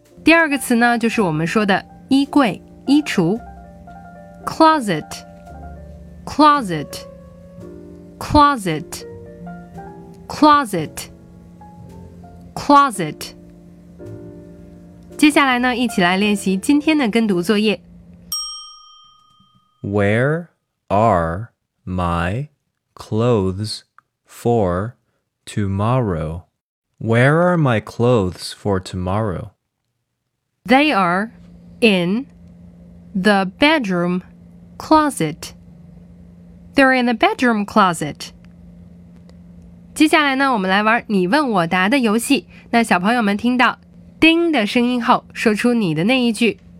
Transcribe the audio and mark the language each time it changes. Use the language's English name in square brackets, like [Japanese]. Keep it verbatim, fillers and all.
[Chinese] 第二个词呢就是我们说的衣柜衣橱， closet closet closet closet closet。接下来呢一起来练习今天的跟读作业。 [English] Where are my clothes for tomorrow? Where are my clothes for tomorrow? They are in the bedroom closet. They're in the bedroom closet. [Chinese] 接下来呢，我们来玩你问我答的游戏。那小朋友们听到叮的声音后，说出你的那一句。